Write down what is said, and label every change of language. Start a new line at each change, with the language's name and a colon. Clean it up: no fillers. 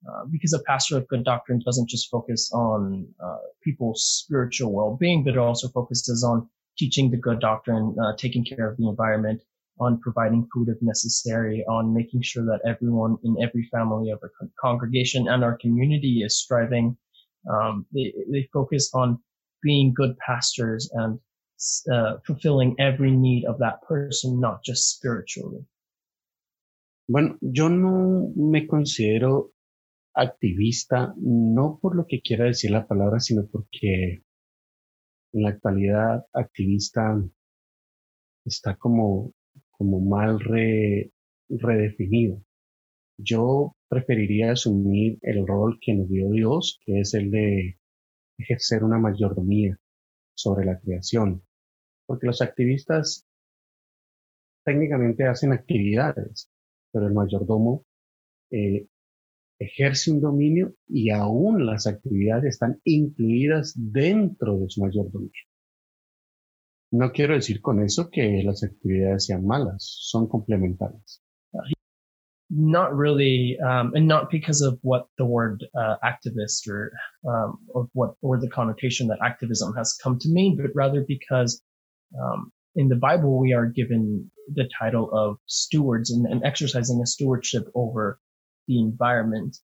English: because a pastor of good doctrine doesn't just focus on people's spiritual well-being, but it also focuses on teaching the good doctrine, taking care of the environment, on providing food if necessary, on making sure that everyone in every family of our congregation and our community is striving. They focus on being good pastors and fulfilling every need of that person, not just spiritually.
Spanish: Bueno, yo no me considero activista, no por lo que quiera decir la palabra, sino porque en la actualidad activista está como mal redefinido. Yo preferiría asumir el rol que nos dio Dios, que es el de ejercer una mayordomía sobre la creación. Porque los activistas técnicamente hacen actividades, pero el mayordomo ejerce un dominio y aún las actividades están incluidas dentro de su mayordomía. No quiero decir con eso que las actividades sean malas, son complementarias.
English: Not really, and not because of what the word activist or the connotation that activism has come to mean, but rather because in the Bible we are given the title of stewards and exercising a stewardship over the environment.